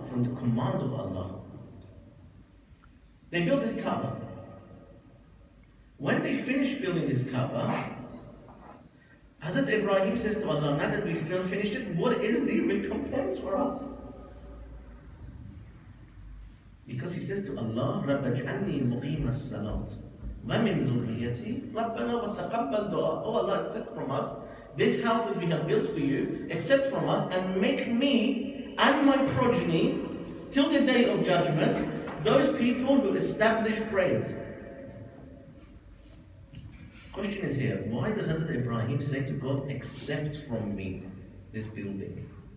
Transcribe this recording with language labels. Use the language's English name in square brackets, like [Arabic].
[English] From the command of Allah. They build this Kaaba. When they finish building this Kaaba, Hazrat Ibrahim says to Allah, now that we've finished it, what is the recompense for us? Because he says to Allah, [Arabic] رَبَّ جَعَلْنِي مُقِيمَ السَّلَاطِ وَمِنْ ذُرِّيَّتِي رَبَّنَا وَتَقَبَّلْ دُعَى. [English] Oh Allah, accept from us this house that we have built for you, accept from us and make me and my progeny till the day of judgment those people who establish prayers. Question is here, why does Hazrat Ibrahim say to God, accept from me this building?